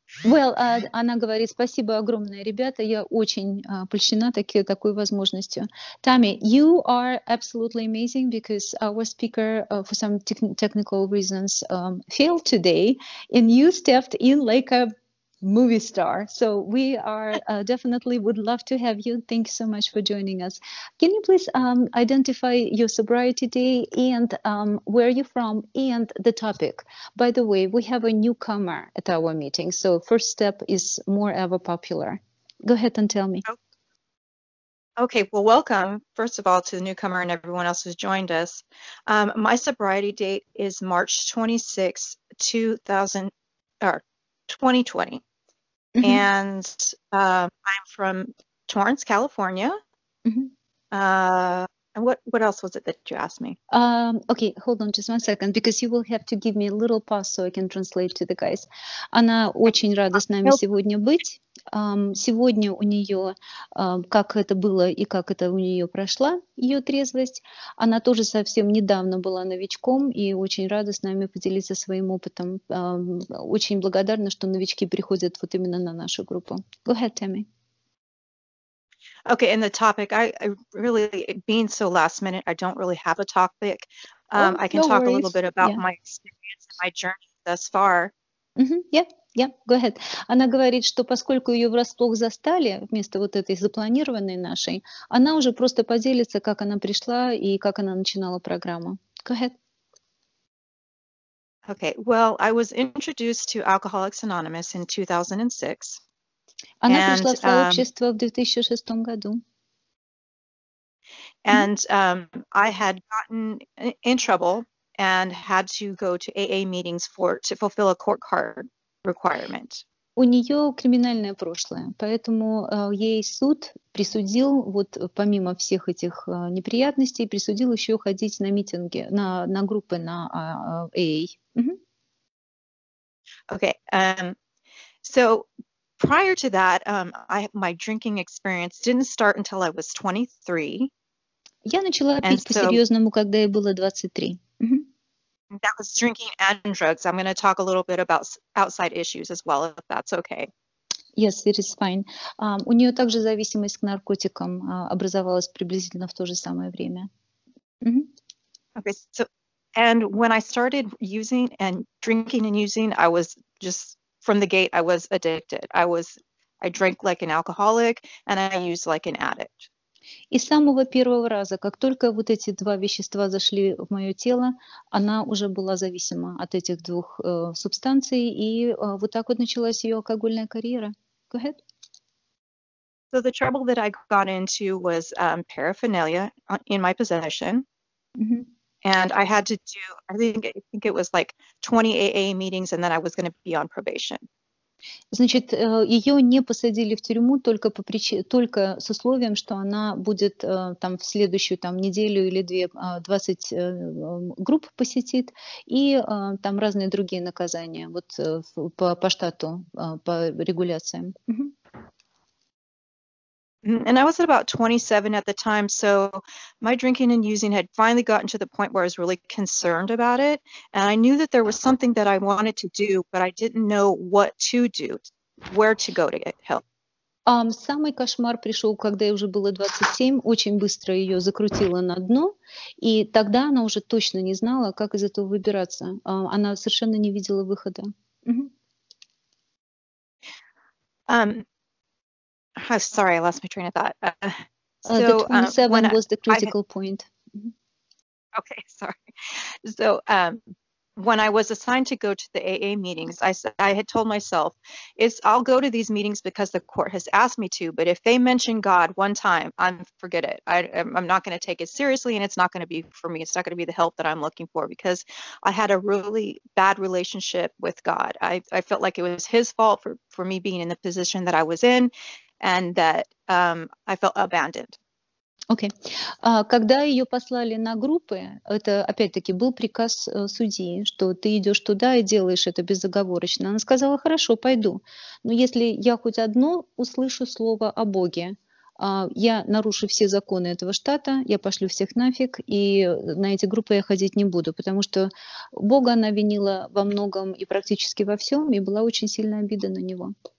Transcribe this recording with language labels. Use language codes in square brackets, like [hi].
[ru] Well, она говорит, спасибо огромное, ребята, я очень польщена такой возможностью. [en] Tammy, you are absolutely amazing because our speaker, for some technical reasons, failed today, and you stepped in like a movie star. So we are definitely would love to have you. Thank you so much for joining us. Can you please identify your sobriety day and where are you from and the topic? By the way, we have a newcomer at our meeting, so first step is more ever popular. Go ahead and tell me. Okay, well, welcome, first of all, to the newcomer and everyone else who's joined us. My sobriety date is March 26, 2020. Mm-hmm. And I'm from Torrance, California. Mm-hmm. What else was it that you asked me? Okay, hold on just 1 second, because you will have to give me a little pause so I can translate to the guys. [ru] Она очень рада с нами сегодня быть. Сегодня у нее, как это было и как это у нее прошла, ее трезвость. Она тоже совсем недавно была новичком и очень рада с нами поделиться своим опытом. Очень благодарна, что новички приходят вот именно на нашу группу. [en] Go ahead, Tammy. Okay, and the topic, I really, being so last minute, I don't really have a topic. I can no talk worries. A little bit about my experience and my journey thus far. Mm-hmm. Yeah, go ahead. [ru] Она говорит, что поскольку ее врасплох застали вместо вот этой запланированной нашей, она уже просто поделится, как она пришла и как она начинала программу. [en] Go ahead. Okay, well, I was introduced to Alcoholics Anonymous in 2006. [ru] Она пришла в сообщество в 2006 году. [en] And I had gotten in trouble and had to go to AA meetings to fulfill a court card requirement. [ru] У нее криминальное прошлое, поэтому ей суд присудил, вот помимо всех этих неприятностей, присудил еще ходить на митинги, на группы, на AA. [en] Mm-hmm. Okay, so prior to that, my drinking experience didn't start until I was 23. [ru] Я начала пить по-серьезному, когда ей было 23. [en] That was drinking and drugs. I'm going to talk a little bit about outside issues as well, if that's okay. Yes, it is fine. [ru] У нее также зависимость к наркотикам образовалась приблизительно в то же самое время. [en] Mm-hmm. Okay, so, and when I started using and drinking and using, I was just, from the gate, I was addicted. I drank like an alcoholic and I used like an addict. [ru] И с самого первого раза, как только вот эти два вещества зашли в мое тело, она уже была зависима от этих двух субстанций, и вот так вот началась ее алкогольная карьера. [en] Go ahead. So the trouble that I got into was paraphernalia in my possession. Mm-hmm. And I had to do, I think it was like 20 AA meetings, and then I was going to be on probation. [ru] Значит, ее не посадили в тюрьму только по только с условием, что она будет там в следующую там неделю или две 20 групп посетит и там разные другие наказания вот по штату по регуляциям. [en] And I was at about 27 at the time, so my drinking and using had finally gotten to the point where I was really concerned about it, and I knew that there was something that I wanted to do, but I didn't know what to do, where to go to get help. [ru] Самый кошмар пришел, когда ей уже было 27, очень быстро ее закрутило на дно, и тогда она уже точно не знала, как из этого выбираться. Она совершенно не видела выхода. [en] Mm-hmm. I'm sorry, I lost my train of thought. The 27 was the critical point. Okay, sorry. So when I was assigned to go to the AA meetings, I had told myself, I'll go to these meetings because the court has asked me to, but if they mention God one time, forget it. I'm not going to take it seriously, and it's not going to be for me. It's not going to be the help that I'm looking for, because I had a really bad relationship with God. I felt like it was his fault for me being in the position that I was in, and that I felt abandoned. Okay. [ru] Когда ее послали на группы, это опять-таки был приказ судьи, что ты идешь туда и делаешь это безоговорочно. Она сказала, хорошо, пойду. Но если я хоть одно услышу слово о Боге, Я нарушу все законы этого штата, я пошлю всех нафиг, и на эти группы я ходить не буду, потому что Бога она винила во многом и практически во всем, и была очень сильная обида на него.